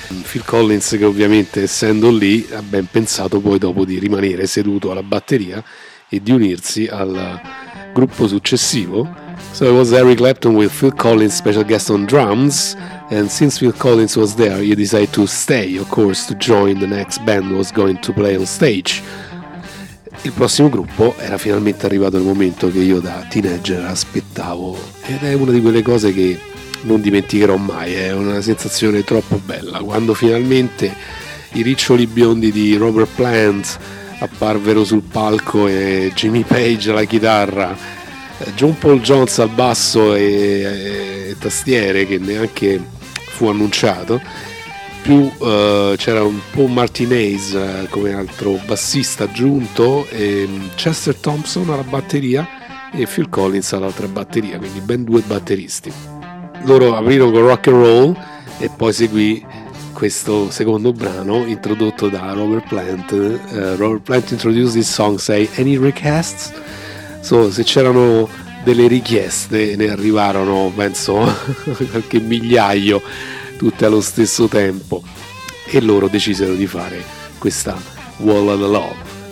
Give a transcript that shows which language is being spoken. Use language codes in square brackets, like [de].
[it] Phil Collins che ovviamente, essendo lì, ha ben pensato poi dopo di rimanere seduto alla batteria e di unirsi al gruppo successivo. [en] So it was Eric Clapton with Phil Collins, special guest on drums, and since Phil Collins was there, he decided to stay, of course, to join the next band was going to play on stage. [it] Il prossimo gruppo era finalmente arrivato il momento che io da teenager aspettavo, ed è una di quelle cose che non dimenticherò mai, è una sensazione troppo bella, quando finalmente i riccioli biondi di Robert Plant apparvero sul palco e Jimmy Page alla chitarra, John Paul Jones al basso e tastiere, che neanche fu annunciato, più c'era un Paul Martinez come altro bassista aggiunto, e Chester Thompson alla batteria e Phil Collins all'altra batteria, quindi ben due batteristi. Loro aprirono con Rock and Roll e poi seguì questo secondo brano introdotto da Robert Plant. [en] Robert Plant introduced this song, say, any requests? [it] So, se c'erano delle richieste, ne arrivarono, penso, qualche migliaio, tutte allo stesso tempo. E loro decisero di fare questa Wall of Love.